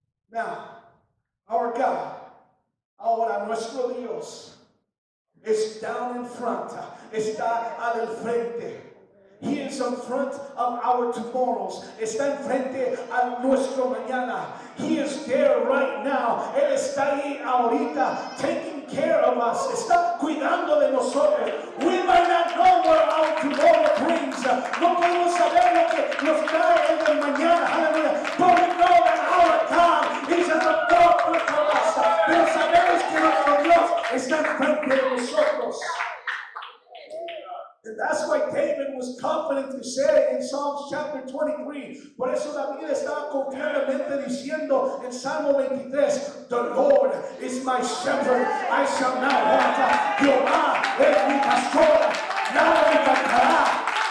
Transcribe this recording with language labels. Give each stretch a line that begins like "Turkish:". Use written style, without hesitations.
English: Now, our God,
Spanish: ahora nuestro Dios,
English: is down in front,
Spanish: está al frente.
English: He is in front of our tomorrows.
Spanish: Está enfrente a nuestro mañana.
English: He is there right now.
Spanish: Él está ahí ahorita,
English: taking care of us.
Spanish: Está cuidando de nosotros.
English: We might not know where our tomorrow brings.
Spanish: No podemos saber lo que nos trae en el mañana.
English: Hallelujah. But we know that our God is at the forefront of us.
Spanish: Pero sabemos que nuestro Dios está enfrente de nosotros.
English: That's why David was confident to say in Psalms chapter 23.
Spanish: Por eso David estaba confiadamente diciendo en Salmo 23,
English: the Lord is my shepherd, I shall not want.
Spanish: Jehová es mi pastor, nada me faltará.